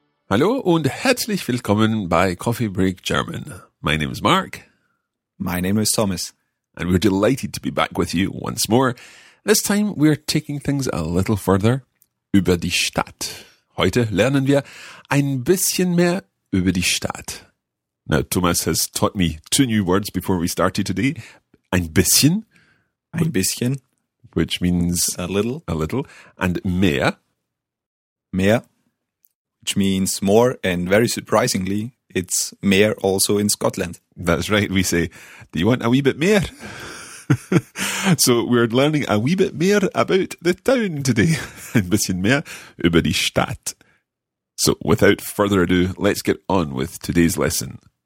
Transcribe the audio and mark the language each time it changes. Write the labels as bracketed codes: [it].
[de] Hallo und herzlich willkommen bei Coffee Break German. [en] My name is Mark. My name is Thomas. And we're delighted to be back with you once more. This time we're taking things a little further. [de] Über die Stadt. Heute lernen wir ein bisschen mehr über die Stadt. [en] Now, Thomas has taught me two new words before we started today. [de] Ein bisschen. Ein bisschen. [en] Which means a little. A little. And mehr. [de] Mehr. [en] Which means more, and very surprisingly, it's mehr also in Scotland. That's right. We say, do you want a wee bit mehr? So we're learning a wee bit mehr about the town today. [de] Ein bisschen mehr über die Stadt. [en] So without further ado, let's get on with today's lesson.